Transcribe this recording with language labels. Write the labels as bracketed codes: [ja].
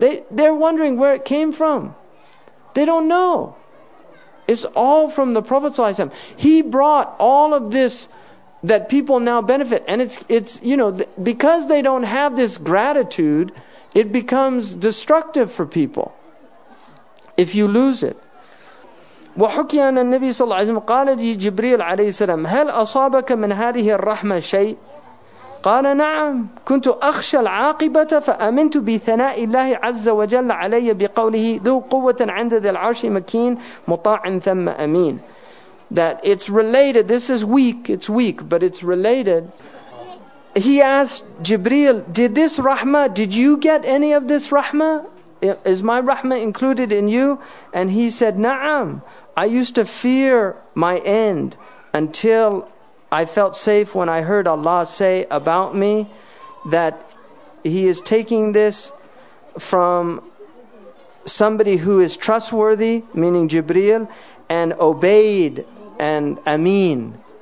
[en] They're wondering where it came from. They don't know. It's all from the Prophet ﷺ. He brought all of this that people now benefit. And it's you know, because they don't have this gratitude, it becomes destructive for people. If you lose it. [ar] وحكي أن النبي صلى الله عليه وسلم قال لي جبريل عليه السلام هل أصابك من هذه الرحمة شيء؟ قال نعم كنت أخشى العاقبة فأمنت بثناء الله عز وجل علي بقوله ذو قوة عند ذي العرش مكين مطاع ثم أمين. [en] That it's related, this is weak, it's weak, but it's related. He asked Jibreel, did this rahmah, did you get any of this rahmah? Is my rahmah included in you? And he said, na'am. I used to fear my end until I felt safe when I heard Allah say about me that he is taking this from somebody who is trustworthy, meaning Jibreel, and obeyed and ameen.